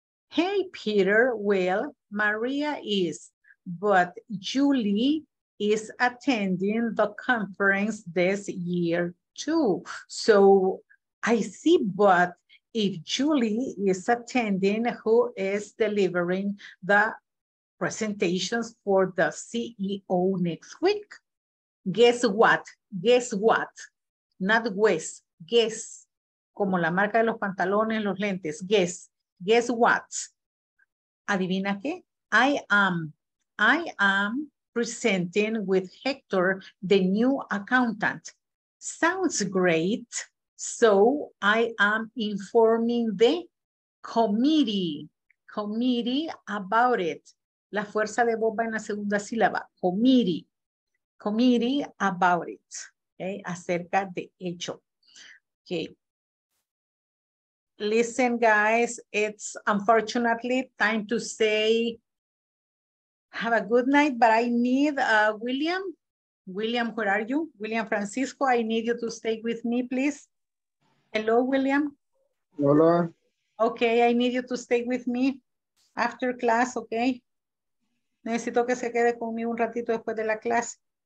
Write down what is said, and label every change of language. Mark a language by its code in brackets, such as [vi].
[en] Hey, Peter. Well, Maria is, but Julie is attending the conference this year too. So I see, but if Julie is attending, who is delivering the presentations for the CEO next week? Guess what? Guess what? Not guess. Guess. [es] Como la marca de los pantalones, los lentes. [en] Guess. Guess what? [es] ¿Adivina qué? [en] I am presenting with Hector, the new accountant. Sounds great. So I am informing the committee about it. [es] La fuerza de voz va en la segunda sílaba. [en] Committee. Committee about it, okay, [es] acerca de hecho. [en] Okay. Listen, guys, it's unfortunately time to say have a good night, but I need William. William, where are you? William Francisco, I need you to stay with me, please. Hello, William. [es] Hola. [en] Okay, I need you to stay with me after class, okay? [es] Necesito que se quede conmigo un ratito después de la clase.